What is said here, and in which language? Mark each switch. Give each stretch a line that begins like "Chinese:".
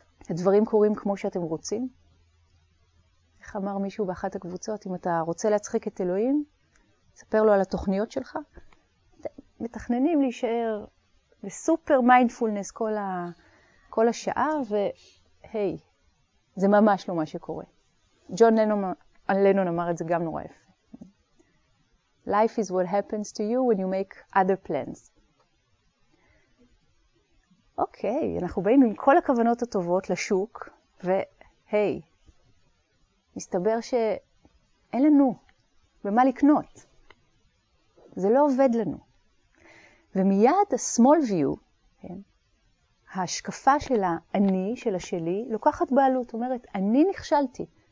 Hebrew: הדברים קורים כמו שאתם רוצים? איך אמר מישהו באחת הקבוצות, אם אתה רוצה להצחיק את אלוהים, ספר לו על התוכניות שלך. מתכננים להישאר בסופר מיינדפולנס כל השעה, והי, זה ממש לא מה שקורה. ג'ון לנון אמר את זה גם נורא יפה.
English: Life is what happens to you when you make other plans.
Hebrew: אוקיי, אנחנו באים עם כל הכוונות הטובות לשוק, והי, מסתבר שאין לנו במה לקנות. זה לא עובד לנו. ומיד ה-
English: small view,
Hebrew: כן, ההשקפה של האני, של השלי, לוקחת בעלות, אומרת, אני נכשלתי.